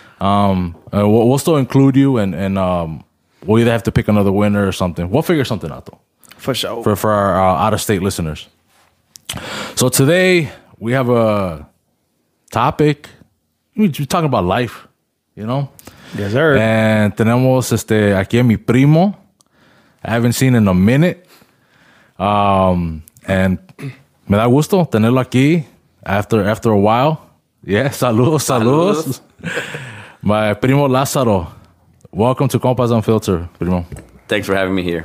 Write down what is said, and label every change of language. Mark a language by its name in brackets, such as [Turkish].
[English] We'll still include you and we'll either have to pick another winner or something. We'll figure something out, though. For sure. For our out of state listeners. So today, we have a topic. We're talking about life, you know? Yes, sir. [Spanish] And tenemos este aquí a mi primo. [English] I haven't seen in a minute. And [Spanish] me da gusto tenerlo aquí [English] after a while. Yeah, saludos. My primo Lázaro. Welcome to Compas Unfiltered, primo. Thanks for having me here.